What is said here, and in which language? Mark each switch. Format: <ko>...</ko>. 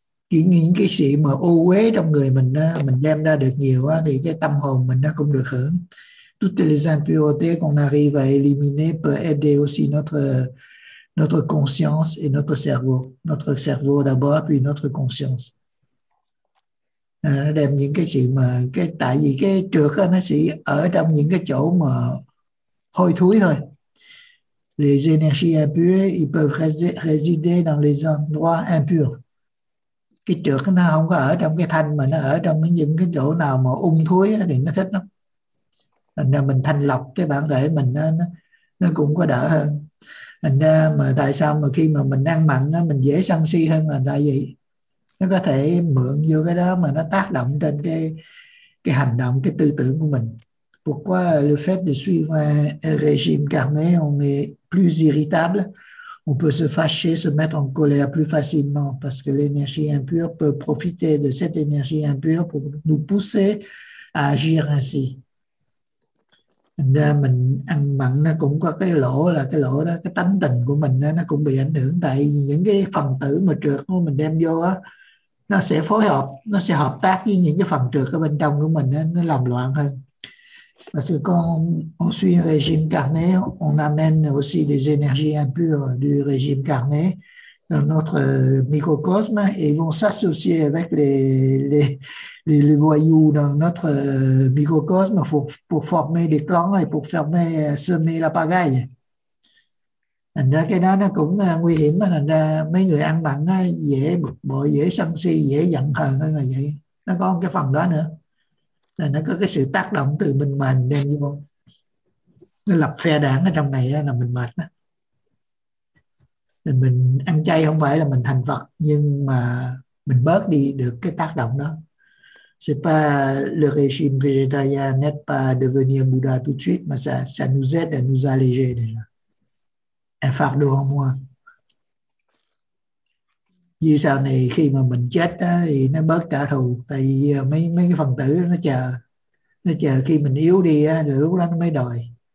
<vi>Chỉ những cái sự mà ô uế trong người mình á, mình đem ra được nhiều á, thì cái tâm hồn mình nó cũng được hưởng.</vi> <fr>Toutes les impuretés qu'on arrive à éliminer peut aider aussi notre conscience et notre cerveau. Notre cerveau d'abord, puis notre conscience.</fr> <vi>À, nó đem những cái sự mà cái, tại vì cái trược nó sẽ ở trong những cái chỗ mà hôi thối thôi.</vi> <fr>Les énergies impures ils peuvent résider dans les endroits impurs.</fr> <vi>Cái trược nó không có ở trong cái thanh mà nó ở trong những cái chỗ nào mà ung thối thì nó thích lắm. Thành ra mình thanh lọc cái bản thể mình nó cũng có đỡ hơn. Thành ra mà tại sao mà khi mà mình ăn mặn mình dễ sân si hơn là tại vì nó có thể mượn vô cái đó mà nó tác động trên cái hành động, cái tư tưởng của mình.</vi> <fr>Pourquoi le fait de suivre un régime carné, on est plus irritable, on peut se fâcher, se mettre en colère plus facilement, parce que l'énergie impure peut profiter de cette énergie impure pour nous pousser à agir ainsi.</fr> <vi>Mình ăn mặn nó cũng có cái lỗ, là cái lỗ đó, cái tánh tình của mình nó cũng bị ảnh hưởng, tại những cái phần tử mà trượt của mình đem vô á, nó sẽ phối hợp, nó sẽ hợp tác với những cái phần trượt ở bên trong của mình, nó làm loạn hơn.</vi> <fr>Parce que quand on suit un régime carné, on amène aussi des énergies impures du régime carné dans notre microcosme et ils vont s'associer avec les voyous dans notre microcosme pour former des clans et pour fermer, semer la pagaille.</fr> <vi>Thành ra cái đó nó cũng nguy hiểm. Thành ra mấy người ăn mặn dễ bực bội, dễ sân si, dễ giận hờn hơn là vậy. Nó có cái phần đó nữa. Là nó có cái sự tác động từ bên ngoài đem vô. Nó lập phe đảng ở trong này là mình mệt. Thì mình ăn chay không phải là mình thành Phật, nhưng mà mình bớt đi được cái tác động đó.</vi> <fr>C'est pas le régime végétarien n'est pas devenir Bouddha tout de suite, mais ça nous aide à nous alléger déjà. Un fardeau en moins.</fr> <vi>Như sau này khi mà mình chết đó, thì nó bớt trả thù, tại vì mấy cái phần tử đó, nó chờ khi mình yếu đi á, rồi lúc đó nó mới đòi.</vi>